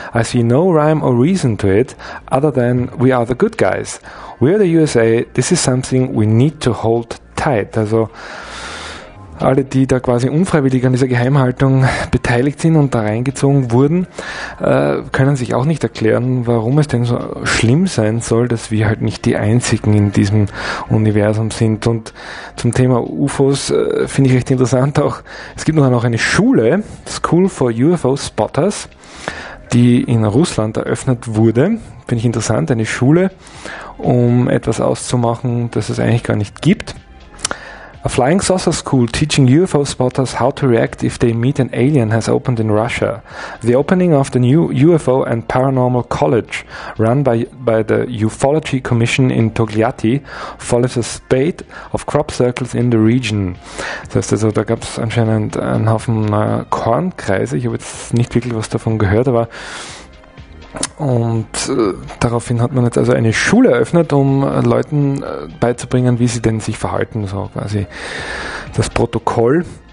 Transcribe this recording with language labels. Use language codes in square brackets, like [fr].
[en] I see no rhyme or reason to it, other than we are the good guys. We are the USA, this is something we need to hold tight. [de] Also alle, die da quasi unfreiwillig an dieser Geheimhaltung beteiligt sind und da reingezogen wurden, können sich auch nicht erklären, warum es denn so schlimm sein soll, dass wir halt nicht die Einzigen in diesem Universum sind. Und zum Thema UFOs finde ich recht interessant auch, es gibt noch eine Schule, School for UFO Spotters, die in Russland eröffnet wurde, finde ich interessant, eine Schule, um etwas auszumachen, das es eigentlich gar nicht gibt. [en] A flying saucer school teaching UFO spotters how to react if they meet an alien has opened in Russia. The opening of the new UFO and paranormal college run by the Ufology Commission in Togliatti follows a spate of crop circles in the region. [de] Das heißt also, da gab es anscheinend einen Haufen Kornkreise. Ich habe jetzt nicht wirklich was davon gehört, aber und daraufhin hat man jetzt also eine Schule eröffnet, um Leuten beizubringen, wie sie denn sich verhalten, so quasi das Protokoll.